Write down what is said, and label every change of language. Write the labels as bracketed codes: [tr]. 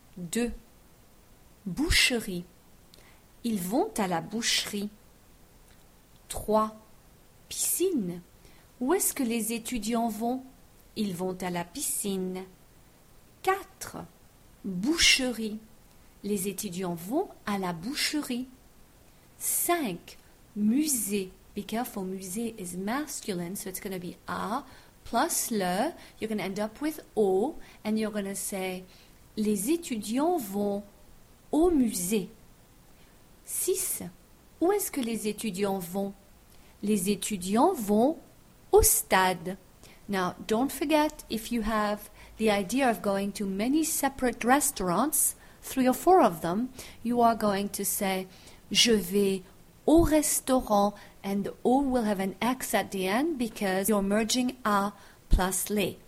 [fr] 2. Boucherie. Ils vont à la boucherie. 3. Piscine. Où est-ce que les étudiants vont? Ils vont à la piscine. 4. Boucherie. Les étudiants vont à la boucherie. 5. Musée. [en] Be careful, musée is masculine, so it's going to be a plus le. You're going to end up with o, and you're going to say, [fr] les étudiants vont au musée. 6. Où est-ce que les étudiants vont? Les étudiants vont au stade. [en] Now, don't forget, if you have the idea of going to many separate restaurants, 3 or 4 of them, you are going to say, [fr] je vais au restaurant, [en] and O will have an X at the end because you're merging A plus les.